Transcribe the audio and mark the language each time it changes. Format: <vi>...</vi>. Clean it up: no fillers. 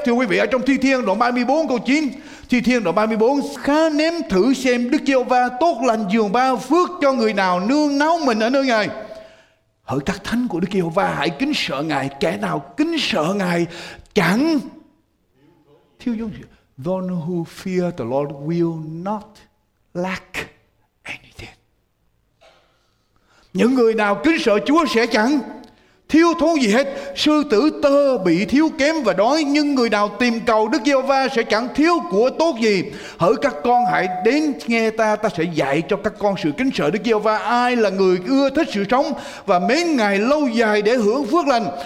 <vi>Thưa quý vị, ở trong Thi Thiên đoạn 34 câu 9, Thi Thiên đoạn 34: khá nếm thử xem Đức Giê-hô-va tốt lành dường bao, phước cho người nào nương náu mình ở nơi Ngài. Hỡi các thánh của Đức Giê-hô-va, hãy kính sợ Ngài, kẻ nào kính sợ Ngài chẳng thiếu dung.</vi> <en>The one who fear the Lord will not lack anything.</en> <vi>Những người nào kính sợ Chúa sẽ chẳng thiếu thốn gì hết. Sư tử tơ bị thiếu kém và đói, nhưng người nào tìm cầu Đức Giê-hô-va sẽ chẳng thiếu của tốt gì. Hỡi các con, hãy đến nghe ta sẽ dạy cho các con sự kính sợ Đức Giê-hô-va. Ai là người ưa thích sự sống và mến Ngài lâu dài để hưởng phước lành?</vi>